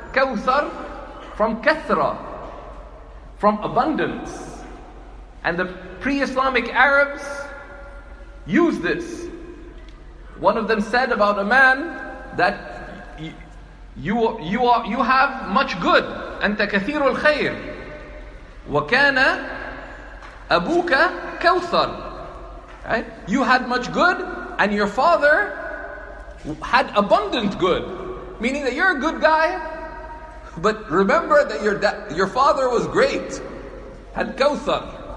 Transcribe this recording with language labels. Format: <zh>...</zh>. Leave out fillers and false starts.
<en>Kawthar, from kathra, from abundance. And the pre-Islamic Arabs used this. One of them said about a man that you have much good.</en> <ar>أنت كثير الخير وكان أبوك كوثر.</ar> <en>Right? You had much good and your father had abundant good. Meaning that you're a good guy, but remember that your father was great. Had Kawthar.</en>